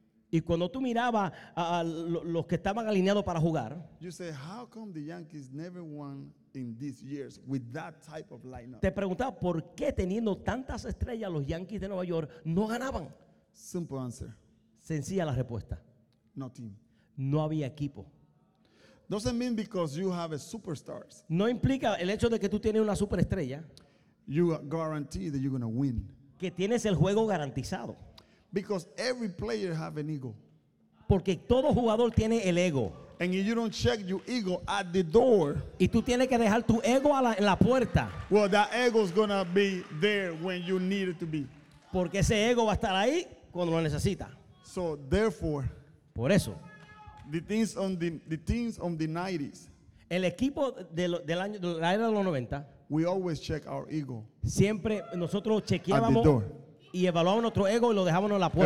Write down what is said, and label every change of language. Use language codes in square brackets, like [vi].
[es] Y cuando tú mirabas a los que estaban alineados para jugar. [en] You say, how come the Yankees never won in these years with that type of lineup? [es] Te preguntaba, ¿por qué teniendo tantas estrellas los Yankees de Nueva York no ganaban? [en] Simple answer. [es] Sencilla la respuesta. [en] No team. [es] No había equipo. [en] Doesn't mean because you have a superstars. [es] No implica el hecho de que tú tienes una superestrella. [en] You guarantee that you're going to win. [es] Que tienes el juego garantizado. [en] Because every player has an ego. [es] Porque todo jugador tiene el ego. [en] And if you don't check your ego at the door. [es] Y tú tienes que dejar tu ego en la puerta. [en] Well, that ego is going to be there when you need it to be. [es] Porque ese ego va a estar ahí cuando lo necesita. [en] So therefore. [es] Por eso. [en] The teams on the 90s. [es] El equipo del año de la era de los 90. [en] We always check our ego. [es] Siempre nosotros chequeábamos y evaluábamos nuestro ego y lo dejábamos en la puerta.